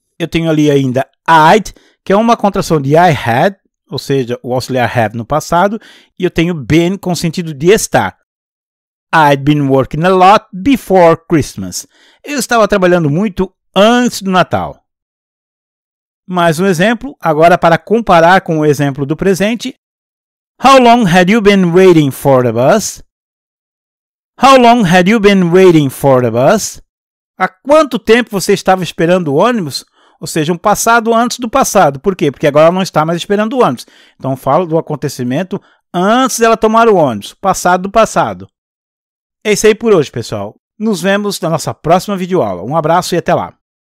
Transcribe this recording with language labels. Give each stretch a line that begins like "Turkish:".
Portuguese: Eu tenho ali ainda I'd, que é uma contração de I had, ou seja, o auxiliar have no passado, e eu tenho been com sentido de estar.
English: I'd been working a lot before Christmas.
Portuguese: Eu estava trabalhando muito antes do Natal. Mais um exemplo, agora para comparar com o exemplo do presente.
English: How long had you been waiting for the bus? How long had you been waiting for the bus?
Portuguese: Há quanto tempo você estava esperando o ônibus? Ou seja, um passado antes do passado. Por quê? Porque agora ela não está mais esperando o ônibus. Então, eu falo do acontecimento antes dela tomar o ônibus. Passado do passado. É isso aí por hoje, pessoal. Nos vemos na nossa próxima videoaula. Um abraço e até lá.